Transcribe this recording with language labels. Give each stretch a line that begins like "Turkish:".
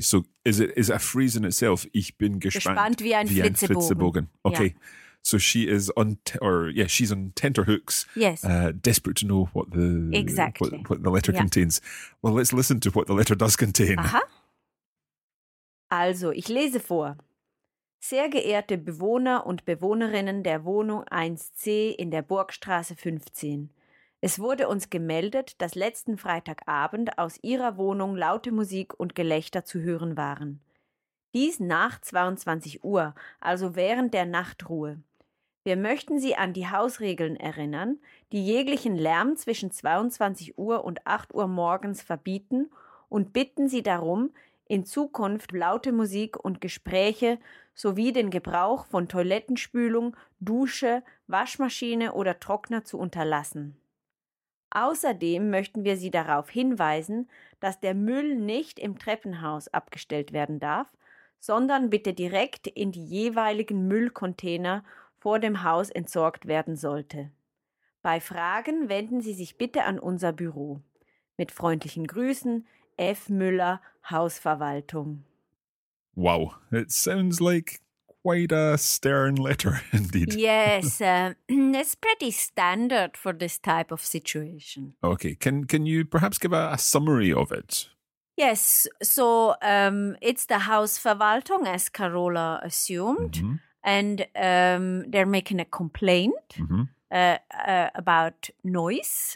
English: So is it a phrase in itself?
German: Ich bin gespannt wie ein Flitzebogen.
English: Okay. Yeah. So she is on, she's on tenterhooks. Yes. Desperate to know what the exactly. what the letter yeah. contains. Well, let's listen to what the letter does contain.
German: Aha. Also, ich lese vor. Sehr geehrte Bewohner und Bewohnerinnen der Wohnung 1C in der Burgstraße 15. Es wurde uns gemeldet, dass letzten Freitagabend aus Ihrer Wohnung laute Musik und Gelächter zu hören waren. Dies nach 22 Uhr, also während der Nachtruhe. Wir möchten Sie an die Hausregeln erinnern, die jeglichen Lärm zwischen 22 Uhr und 8 Uhr morgens verbieten und bitten Sie darum, in Zukunft laute Musik und Gespräche sowie den Gebrauch von Toilettenspülung, Dusche, Waschmaschine oder Trockner zu unterlassen. Außerdem möchten wir Sie darauf hinweisen, dass der Müll nicht im Treppenhaus abgestellt werden darf, sondern bitte direkt in die jeweiligen Müllcontainer vor dem Haus entsorgt werden sollte. Bei Fragen wenden Sie sich bitte an unser Büro. Mit freundlichen Grüßen, F. Müller, Hausverwaltung.
English: Wow, it sounds like quite a stern letter indeed. Yes, it's pretty standard for this type of situation. Okay, can you perhaps give a summary of it? Yes, so it's the Hausverwaltung, as Carola assumed, and they're making a complaint about noise.